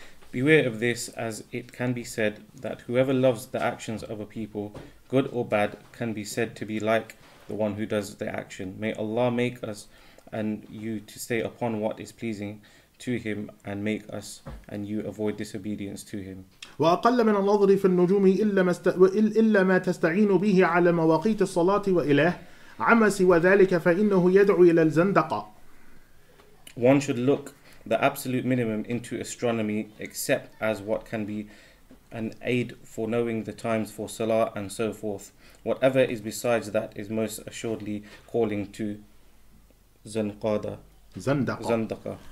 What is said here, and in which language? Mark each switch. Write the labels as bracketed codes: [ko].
[en] Beware of this, as it can be said that whoever loves the actions of a people, good or bad, can be said to be like the one who does the action. May Allah make us and you to stay upon what is pleasing to Him and make us and you avoid disobedience to Him. [ar] وأقل من النظر في النجوم إلا ما تستعين به على مواقيت الصلاة وإله عما سوى ذلك فإنه يدعو إلى الزندقة. [en] One should look the absolute minimum into astronomy except as what can be an aid for knowing the times for salah and so forth. Whatever is besides that is most assuredly calling to Zandaqa.